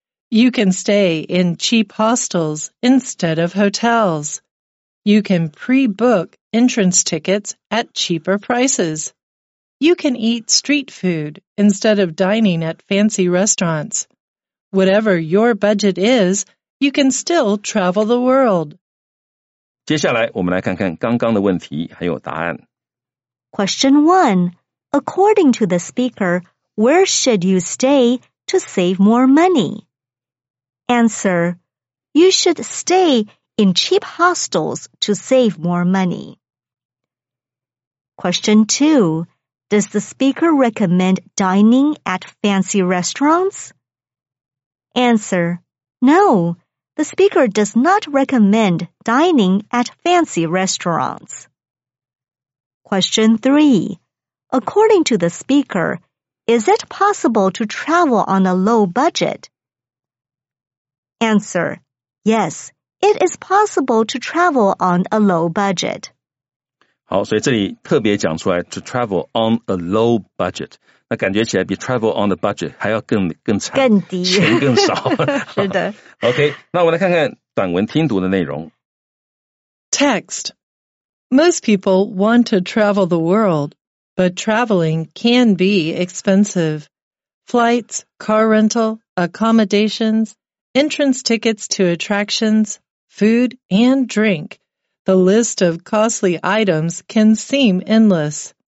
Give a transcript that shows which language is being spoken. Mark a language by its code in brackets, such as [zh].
[en] You can stay in cheap hostels instead of hotels. You can pre-book entrance tickets at cheaper prices. You can eat street food instead of dining at fancy restaurants. Whatever your budget is, you can still travel the world. [zh] 接下来我们来看看刚刚的问题还有答案。 [en] Question 1. According to the speaker, where should you stay to save more money? Answer: You should stay in cheap hostels to save more money. Question 2. Does the speaker recommend dining at fancy restaurants? Answer: No. The speaker does not recommend dining at fancy restaurants. Question 3. According to the speaker, is it possible to travel on a low budget? Answer: Yes, it is possible to travel on a low budget. [zh] 好，所以这里特别讲出来 [en] to travel on a low budget. [zh] 那感觉起来比 [en] travel on the budget [zh] 还要更惨，更低，钱更少。是的。 OK， 那我们来看看短文听读的内容。 [en] Text. Text. Most people want to travel the world, but traveling can be expensive. Flights, car rental, accommodations, entrance tickets to attractions, food and drink. The list of costly items can seem endless.